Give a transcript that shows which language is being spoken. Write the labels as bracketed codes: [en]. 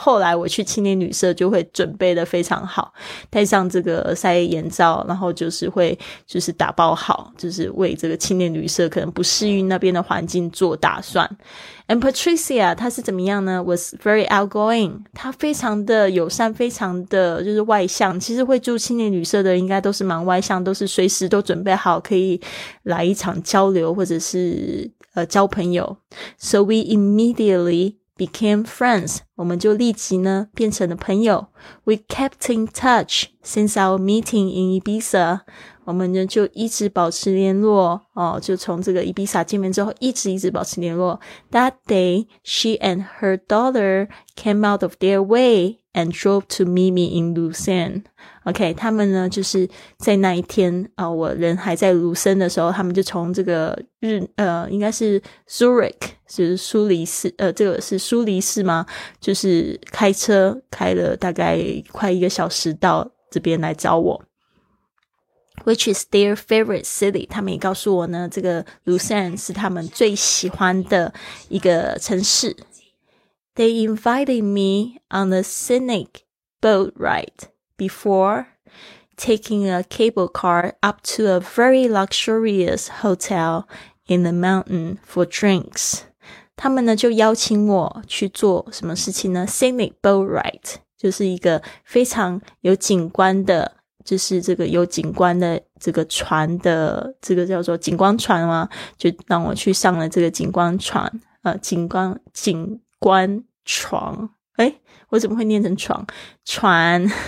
[zh] 后来我去青年旅社就会准备的非常好，戴上这个耳塞眼罩，然后就是会就是打包好，就是为这个青年旅社可能不适应那边的环境做打算。 And Patricia, 她是怎么样呢？ [en] was very outgoing. [zh] 她非常的友善，非常的就是外向。其实会住青年旅社的应该都是蛮外向，都是随时都准备好可以来一场交流或者是交朋友。 [en] So we immediately became friends. [zh] 我们就立即呢变成了朋友。 [en] We kept in touch since our meeting in Ibiza. [zh] 我们呢就一直保持联络就从这个伊比萨见面之后一直保持联络。 [en] That day, she and her daughter came out of their way and drove to meet me in Lausanne. [zh] OK, 他们呢就是在那一天我人还在卢森的时候，他们就从这个应该是 Zurich, 就是苏黎世这个是苏黎世吗，就是开车开了大概快一个小时到这边来找我。 [en] Which is their favorite city. [zh] 他们也告诉我呢，这个 Lausanne 是他们最喜欢的一个城市。 [en] They invited me on a scenic boat ride before. taking a cable car up to a very luxurious hotel in the mountain for drinks. [zh] 他们呢就邀请我去做什么事情呢 ? [en] Scenic boat ride, [zh] 就是一个非常有景观的就是这个有景观的这个船的这个叫做景观船吗就让我去上了这个景观船景观床诶我怎么会念成床船